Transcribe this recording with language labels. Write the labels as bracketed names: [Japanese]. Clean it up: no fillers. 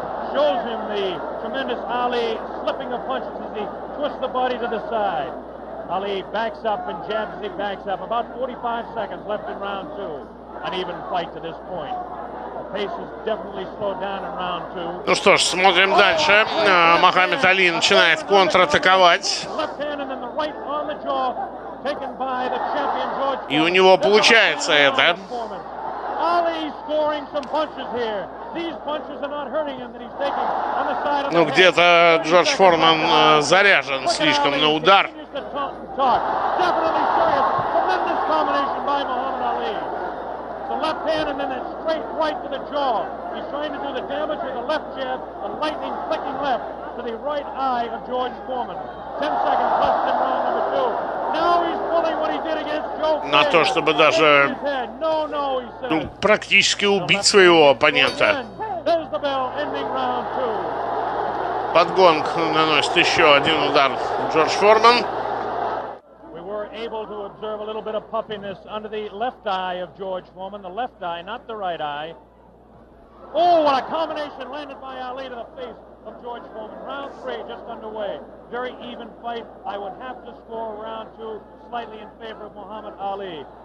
[English] Shows him the tremendous Ali slipping of punches as he twists the body to the side. Ali backs up and jabs as he backs up. About 45 seconds left in round two. An even fight to this point. The pace has definitely slowed down in round two. [Russian] Ну что ж, смотрим дальше. Мохаммед Али начинает контратаковать. [English] Left hand and then the right on the jaw, taken by the champion George. [Russian] И у него получается это. [English] Ali scoring some punches here. These punches are not hurting him that he's taking on the side of the head. [Russian] Ну где-то Джордж Форман заряжен слишком на удар. [English] Definitely serious. Tremendous combination by Muhammad Ali. The left hand and then a straight right to the jaw. He's trying to do the damage with the left jab, the lightning flicking left to the right eye of George Foreman. 10 seconds left in round number two. Now he's pulling what he did against Joe. [Russian] На то, чтобы даже ну, практически убить своего оппонента. [English] There's the bell, ending round two. [Russian] Под гонг наносит еще один удар Джордж Форман. [English] Able to observe a little bit of puffiness under the left eye of George Foreman, the left eye, not the right eye. Oh, what a combination landed by Ali to the face of George Foreman. Round three just underway. Very even fight. I would have to score round two slightly in favor of Muhammad Ali.